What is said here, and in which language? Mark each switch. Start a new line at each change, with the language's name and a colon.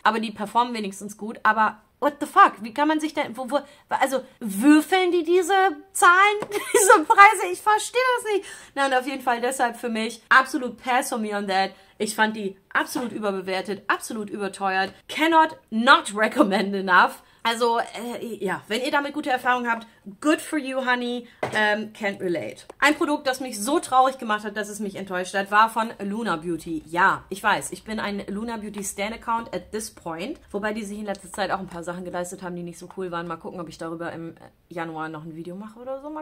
German: Aber die performen wenigstens gut. Aber
English: what the fuck?
German: Wie kann man sich denn... Also würfeln die diese Zahlen, diese Preise? Ich verstehe das nicht. Na und auf jeden Fall deshalb für mich absolut
English: pass on me on that.
German: Ich fand die absolut überbewertet, absolut überteuert.
English: Cannot not recommend enough.
German: Also, ja, wenn ihr damit gute Erfahrungen habt,
English: good for you, honey. Can't relate.
German: Ein Produkt, das mich so traurig gemacht hat, dass es mich enttäuscht hat, war von Luna Beauty. Ja, ich weiß, ich bin ein Luna Beauty Stan-Account
English: at this point.
German: Wobei die sich in letzter Zeit auch ein paar Sachen geleistet haben, die nicht so cool waren. Mal gucken, ob ich darüber im Januar noch ein Video mache oder so.